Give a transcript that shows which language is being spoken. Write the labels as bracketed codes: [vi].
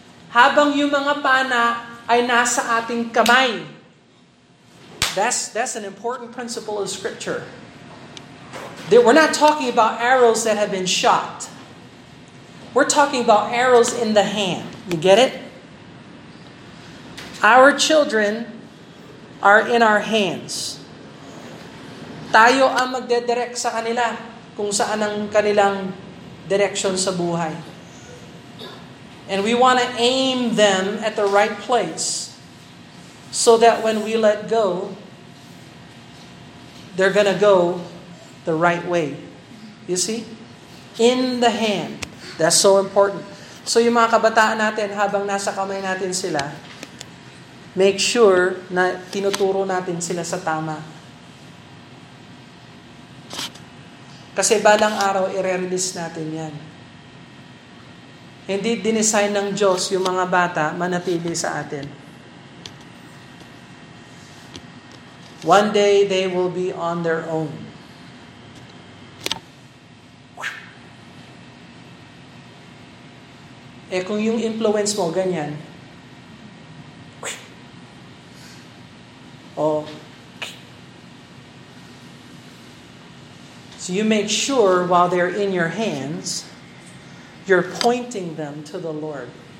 [tl] Habang yung mga pana ay nasa ating kamay. [en] That's an important principle of scripture. We're not talking about arrows that have been shot. We're talking about arrows in the hand. You get it? Our children are in our hands. [tl] Tayo ang magdedirect sa kanila kung saan ang kanilang direction sa buhay. [en] And we want to aim them at the right place so that when we let go, they're going to go the right way. You see? In the hand. That's so important. [tl] So yung mga kabataan natin, habang nasa kamay natin sila, make sure na tinuturo natin sila sa tama. Kasi balang araw, i-release natin yan. Hindi dinesign ng Diyos yung mga bata manatili sa atin. [en] One day, they will be on their own. [tl] Eh kung yung influence mo ganyan, [en] oh, so you make sure while they're in your hands, you're pointing them to the Lord.